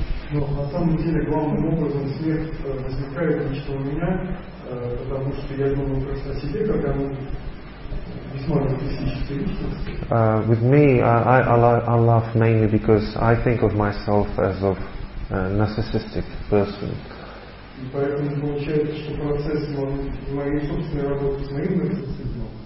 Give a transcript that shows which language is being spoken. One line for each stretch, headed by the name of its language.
Russian: Но на самом деле главным образом смех возникает лично у меня, потому что я думаю просто о себе, как о весьма эгоистической личности.
English: With me, I laugh mainly because I think of myself as of a narcissistic person.
Russian: И поэтому получается, что процесс моей собственной работы с моим нарциссизмом.